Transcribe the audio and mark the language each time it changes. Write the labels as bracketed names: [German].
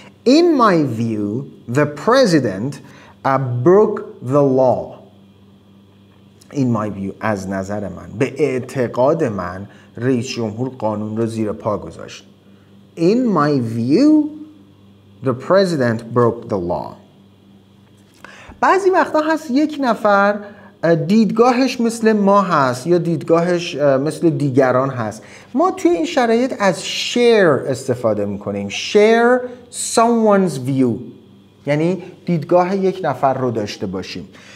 [English] In my view the president broke the law. In my view، [Persian] از نظر من، به اعتقاد من رئیس جمهور قانون رو زیر پا گذاشت. [English] In my view the president broke the law. [Persian] بعضی وقتا هست یک نفر دیدگاهش مثل ما هست یا دیدگاهش مثل دیگران هست. ما توی این شرایط از share استفاده میکنیم. [English] Share someone's view، [Persian] یعنی دیدگاه یک نفر رو داشته باشیم.